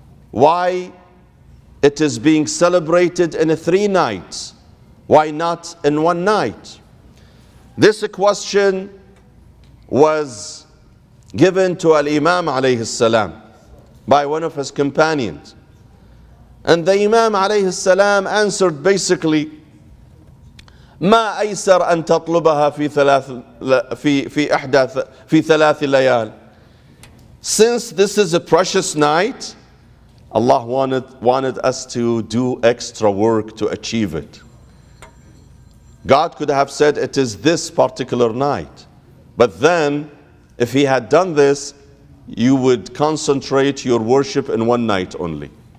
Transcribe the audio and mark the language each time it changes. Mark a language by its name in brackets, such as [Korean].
[English] Why it is being celebrated in 3 nights? Why not in 1 night? This question was given to al-Imam alayhi salam by one of his companions. And the Imam alayhi salam answered basically, [Arabic] ما أيسر أن تطلبها في ثلاث في في إحدى في ثلاث ليال. [English] Since this is a precious night, Allah wanted us to do extra work to achieve it. God could have said it is this particular night, but then, if He had done this, you would concentrate your worship in 1 night only.